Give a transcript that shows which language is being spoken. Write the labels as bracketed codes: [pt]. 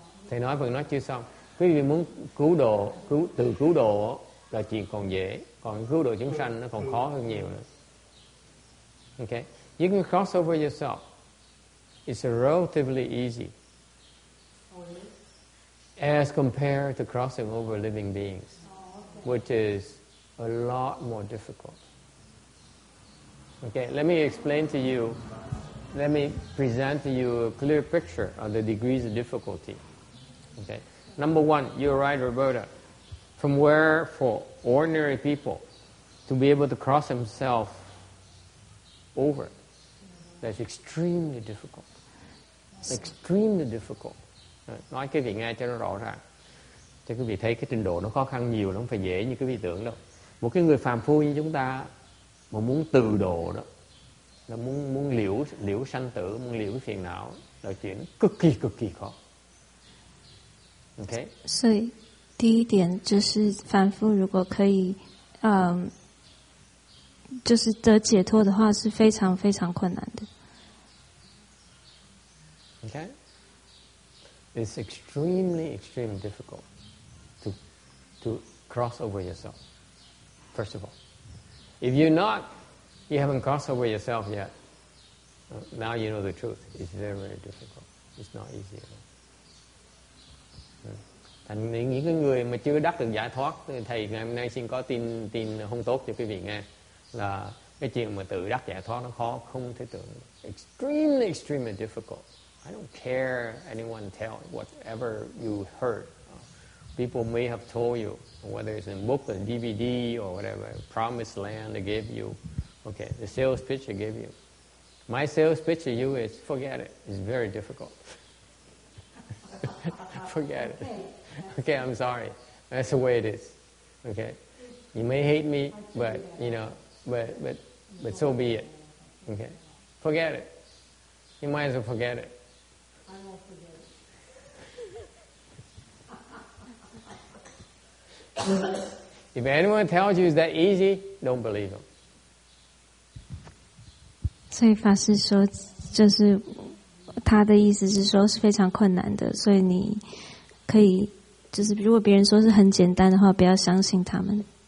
[vi] Thầy nói vừa nói chưa xong. Quý vị muốn cứu độ, từ cứu độ là chuyện còn dễ, còn cứu độ chúng sanh nó còn khó hơn nhiều nữa. [en] Okay, you can cross over yourself. It's relatively easy as compared to crossing over living beings, which is a lot more difficult. Okay, let me explain to you. Let me present to you a clear picture of the degrees of difficulty. Okay. Number one, you're right, Roberta. From where for ordinary people to be able to cross himself over, that's extremely difficult. Extremely difficult. [vi] Nói cái vị nghe cho nó rõ ràng. Chứ quý vị thấy cái trình độ nó khó khăn nhiều, nó không phải dễ như quý vị tưởng đâu. Một cái người phàm phu như chúng ta mà muốn từ độ đó, là muốn liễu sanh tử, muốn liễu phiền não, là chuyện cực kỳ khó. [en] Okay. [zh] 所以第一点就是凡夫如果可以就是得解脱的话是非常非常困难的。 [en] Okay. It's extremely, extremely difficult to cross over yourself. First of all. If you're not, you haven't crossed over yourself yet. Now you know the truth. It's very, very difficult. It's not easy at all. [vi] Thành những cái người mà chưa đắc được giải thoát, thầy ngày hôm nay xin có tin không tốt cho quý vị nghe, là cái chuyện mà tự đắc giải thoát nó khó không thể tưởng. [en] Extremely, extremely difficult. I don't care anyone tell whatever you heard. People may have told you, whether it's in book or DVD or whatever, promised land they gave you. Okay, the sales pitch they gave you. My sales pitch to you is, forget it, it's very difficult. Forget it. Okay, I'm sorry. That's the way it is. Okay, you may hate me, but you know, but so be it. Okay, forget it. You might as well forget it. I won't forget it. If anyone tells you it's that easy, don't believe them. [zh] 所以法师说，就是他的意思是说是非常困难的，所以你可以。就是如果别人说是很简单的话，不要相信他们。